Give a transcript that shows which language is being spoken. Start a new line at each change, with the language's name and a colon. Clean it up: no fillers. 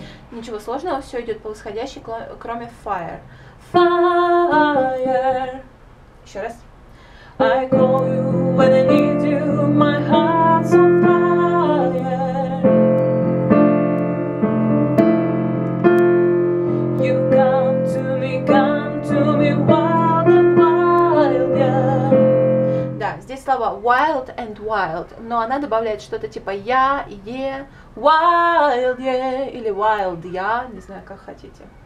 Russian: Ничего сложного, все идет по восходящей, кроме fire. Fire. Еще раз.
English: I call you when I need you, my heart's on fire. You come to me wild and wild, yeah.
Russian: Да, здесь слова
English: wild and wild,
Russian: но она добавляет что-то типа я, yeah,
English: wild, yeah,
Russian: или wild, я, yeah, не знаю, как хотите.